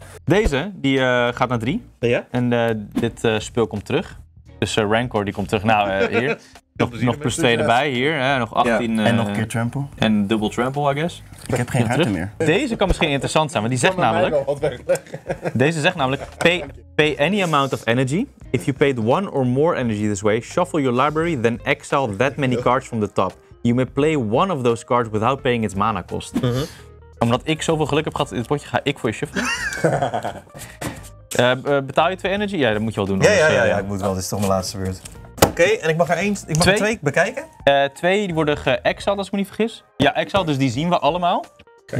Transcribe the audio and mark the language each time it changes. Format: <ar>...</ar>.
<nl>Deze, die gaat naar 3. Ja. En dit speel komt terug. Dus Rancor, die komt terug. Nou, hier. Nog plus 2 erbij, hier. Nog 18. Ja. En nog een keer trample. En</nl> <en>double trample, I guess.</en> <nl>Ik heb geen ruimte meer. Deze kan misschien interessant zijn, want die zegt namelijk...</nl> <en>Pay any amount of energy. If you paid one or more energy this way, shuffle your library, then exile that many cards from the top. You may play one of those cards without paying its mana cost. Mm-hmm.</en> <nl>Omdat ik zoveel geluk heb gehad in het potje, ga ik voor je shuffelen. betaal je 2 energy? Ja, dat moet je wel doen. Ja, ik moet wel. Dit is toch mijn laatste beurt. Oké, en ik mag er 2 bekijken? 2 die worden ge-exiled, als ik me niet vergis. Ja, exiled, dus die zien we allemaal. Okay.</nl>